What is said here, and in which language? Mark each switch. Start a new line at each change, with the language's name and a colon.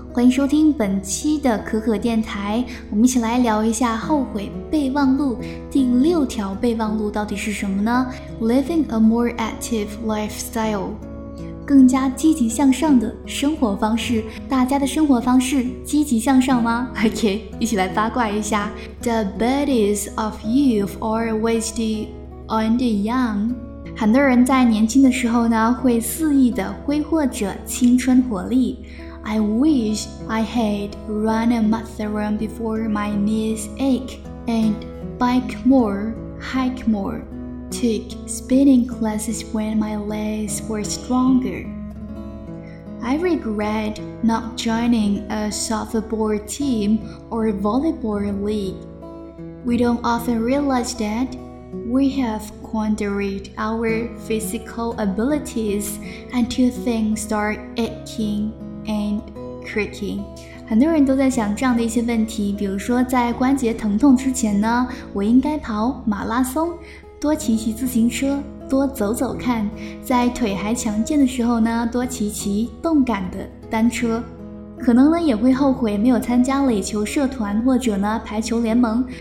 Chinese: 欢迎收听本期的可可电台，我们一起来聊一下后悔备忘录第六条备忘录到底是什么呢？
English: Living a more active lifestyle，
Chinese: 更加积极向上的生活方式。大家的生活方式积极向上吗？ OK， 一起来八卦一下。
English: The bodies of youth are wasted on the young。
Chinese: 很多人在年轻的时候呢，会肆意地挥霍着青春活力。
English: I wish I had run a marathon before my knees ache and bike more, hike more, took spinning classes when my legs were stronger. I regret not joining a softball team or volleyball league. We don't often realize that. We have squandered our physical abilities until things start aching and creaking.
Chinese: 很多人都在想这样的一些问题，比如说在关节疼痛之前呢，我应该跑马拉松，多骑骑自行车，多走走看，在腿还强健的时候呢，多骑骑动感的单车。可能呢也会后悔没有参加垒球社团或者呢排球联盟。